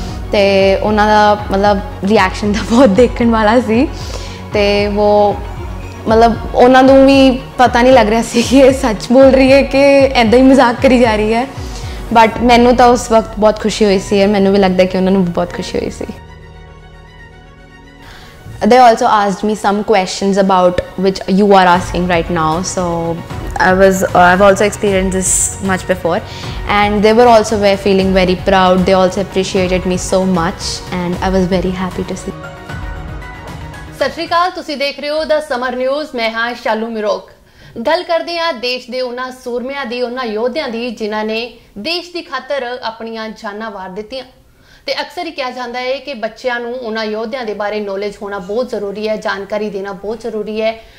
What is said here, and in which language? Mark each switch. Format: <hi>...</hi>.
<pa>ਅਤੇ ਉਹਨਾਂ ਦਾ ਮਤਲਬ ਰਿਐਕਸ਼ਨ ਤਾਂ ਬਹੁਤ ਦੇਖਣ ਵਾਲਾ ਸੀ, ਅਤੇ ਉਹ ਮਤਲਬ ਉਹਨਾਂ ਨੂੰ ਵੀ ਪਤਾ ਨਹੀਂ ਲੱਗ ਰਿਹਾ ਸੀ ਕਿ ਇਹ ਸੱਚ ਬੋਲ ਰਹੀ ਹੈ ਕਿ ਇੱਦਾਂ ਹੀ ਮਜ਼ਾਕ ਕਰੀ ਜਾ ਰਹੀ ਹੈ। ਬਟ ਮੈਨੂੰ ਤਾਂ ਉਸ ਵਕਤ ਬਹੁਤ ਖੁਸ਼ੀ ਹੋਈ ਸੀ, ਮੈਨੂੰ ਵੀ ਲੱਗਦਾ ਕਿ ਉਹਨਾਂ ਨੂੰ ਬਹੁਤ ਖੁਸ਼ੀ ਹੋਈ ਸੀ।</pa> <en>They also asked me some questions about which you are asking right now, so I've also experienced this much before, and they were also feeling very proud. They also appreciated me so much and I was very happy to see.</en> <pa>ਸਤਿ ਸ਼੍ਰੀ ਅਕਾਲ, ਤੁਸੀਂ ਦੇਖ ਰਹੇ ਹੋ ਦਾ summer news, ਮੈਂ ਹਾਂ ਸ਼ਾਲੂ ਮਿਰੋਕ। ਗੱਲ ਕਰਦੇ ਹਾਂ ਦੇਸ਼ ਦੇ ਉਹਨਾਂ ਸੂਰਮਿਆਂ ਦੀ, ਉਹਨਾਂ ਯੋਧਿਆਂ ਦੀ ਜਿਨ੍ਹਾਂ ਨੇ ਦੇਸ਼ ਦੀ ਖਾਤਰ ਆਪਣੀਆਂ ਜਾਨਾਂ ਵਾਰ ਦਿੱਤੀਆਂ। ਅਤੇ ਅਕਸਰ ਹੀ ਕਿਹਾ ਜਾਂਦਾ ਹੈ ਕਿ ਬੱਚਿਆਂ ਨੂੰ ਉਹਨਾਂ ਯੋਧਿਆਂ ਦੇ ਬਾਰੇ ਨੌਲੇਜ ਹੋਣਾ ਬਹੁਤ ਜ਼ਰੂਰੀ ਹੈ, ਜਾਣਕਾਰੀ ਦੇਣਾ ਬਹੁਤ ਜ਼ਰੂਰੀ ਹੈ।</pa>